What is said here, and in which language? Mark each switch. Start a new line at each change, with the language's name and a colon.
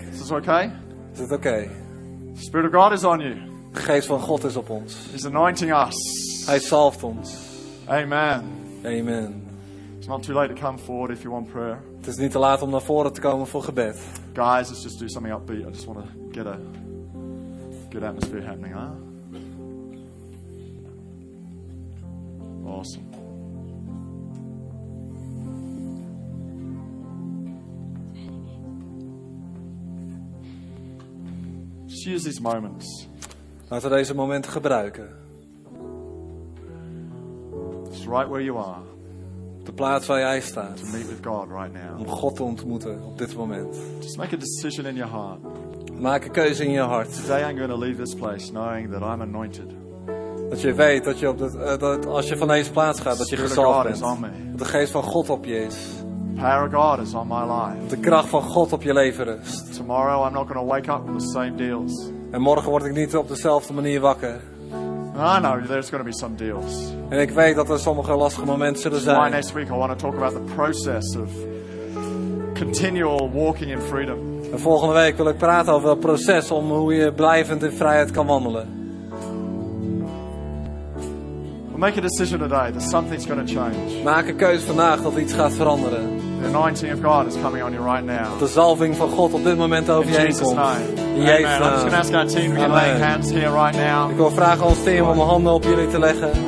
English: Is this okay? Is it okay? Spirit of God is on you.
Dutch: De geest van God is op ons.
English: He's anointing us.
Dutch: Hij zalft ons.
English: Amen.
Dutch: Amen.
English: It's not too late to come forward if you want prayer.
Dutch: Het is niet te laat om naar voren te komen voor gebed.
English: Guys, let's just do something upbeat. I just want to get a good atmosphere happening, huh? Awesome. Just use these moments.
Dutch: Laten we deze momenten gebruiken.
English: It's right where you are.
Dutch: De plaats waar jij staat.
English: To meet with God right now.
Dutch: Om God te ontmoeten op dit moment.
English: Just make a decision in your heart.
Dutch: Maak een keuze in je hart.
English: Today I'm going to leave this place knowing that I'm anointed.
Dutch: Dat je weet dat je op dat, dat als je van deze plaats gaat dat je gezalfd bent. Dat de geest van God op je is.
English: Power of God is on my life.
Dutch: De kracht van God op je leven rust.
English: Tomorrow I'm not going to wake up with the same deals.
Dutch: En morgen word ik niet op dezelfde manier wakker.
English: I know there's going to be some deals.
Dutch: En ik weet dat er sommige lastige momenten zullen zijn.
English: Why next week I want to talk about the process of continual walking in freedom.
Dutch: En volgende week wil ik praten over het proces om hoe je blijvend in vrijheid kan wandelen.
English: Make a decision today that something's going to change.
Dutch: Maak een keuze vandaag dat iets gaat veranderen.
English: The anointing of God is coming on you right now.
Dutch: De zalving van God op dit moment over je heen komt. In Jezus' naam.
English: I'm just going to ask our team to begin laying hands here right now.
Dutch: Ik wil vragen ons team om handen op jullie te leggen.